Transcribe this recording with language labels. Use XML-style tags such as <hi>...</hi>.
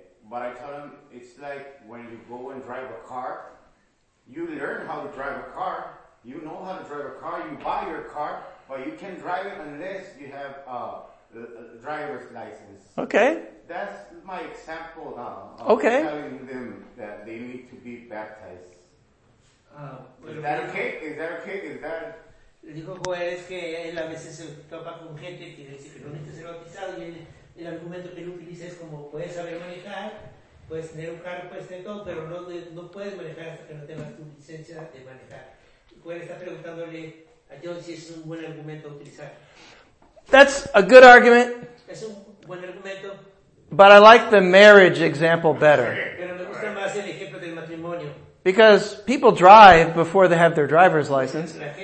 <en>But I tell them, it's like when you go and drive a car, you learn how to drive a car. You know how to drive a car. You buy your car, but you can drive it unless you have a driver's license. Okay. That's my example now. Okay. Telling them that they need to be baptized. Is that okay?</en> <es>Le dijo pues que él a veces se topa con gente que dice que no necesita ser bautizado y el argumento que él utiliza es como puedes saber manejar, puedes tener un carro, puedes tener todo, pero no puedes manejar hasta que no tengas tu licencia de manejar. Puede estar preguntándole a John si es un buen argumento a utilizar.</es> <en>That's a good argument.</en> <es>Es un buen argumento.</es> <en>But I like the marriage example better.</en> <es>Pero me gusta más el ejemplo del matrimonio.</es> <en>Because people drive before they have their driver's license.</en>